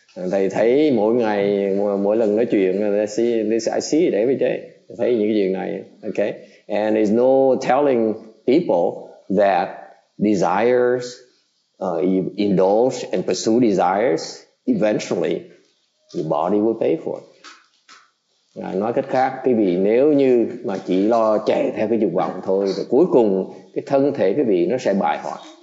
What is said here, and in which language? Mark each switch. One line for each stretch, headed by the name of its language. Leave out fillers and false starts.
Vietnamese: Thầy thấy mỗi ngày mỗi lần nói chuyện
English: I see it every day.
Vietnamese: Thấy những chuyện này, okay?
English: And it's no telling people that desires, you indulge and pursue desires, eventually your body will pay for it.
Vietnamese: Nói cách khác, quý vị nếu như mà chỉ lo chạy theo cái dục vọng thôi, rồi cuối cùng cái thân thể quý vị nó sẽ bại hoại.